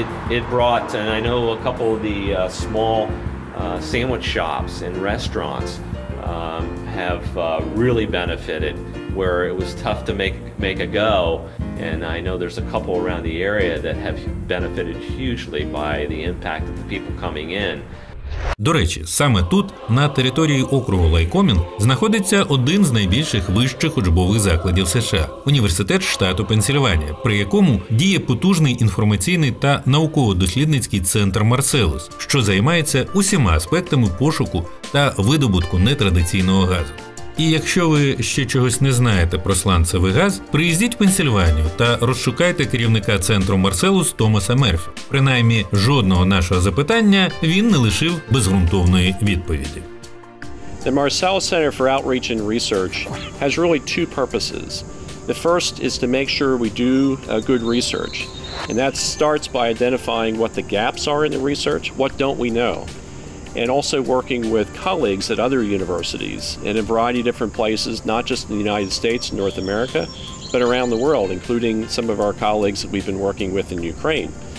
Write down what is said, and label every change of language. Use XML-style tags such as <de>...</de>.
<en>It brought, and I know a couple of the small sandwich shops and restaurants have really benefited where it was tough to make a go. And I know there's a couple around the area that have benefited hugely by the impact of the people coming in.</en> <uk>До речі, саме тут, на території округу Лайкомінг, знаходиться один з найбільших вищих учбових закладів США – Університет штату Пенсильванія, при якому діє потужний інформаційний та науково-дослідницький центр «Марселус», що займається усіма аспектами пошуку та видобутку нетрадиційного газу. І якщо ви ще чогось не знаєте про сланцевий газ, приїздіть в Пенсильванію та розшукайте керівника центру Марселус Томаса Мерфі. Принаймні, жодного нашого запитання він не лишив безґрунтовної відповіді.</uk> <en>The Marcellus Center for Outreach and Research has really two purposes. The first is to make sure we do good research. And that starts by identifying what the gaps are in the research, what don't we know. And also working with colleagues at other universities in a variety of different places, not just in the United States and North America, but around the world, including some of our colleagues that we've been working with in Ukraine.</en>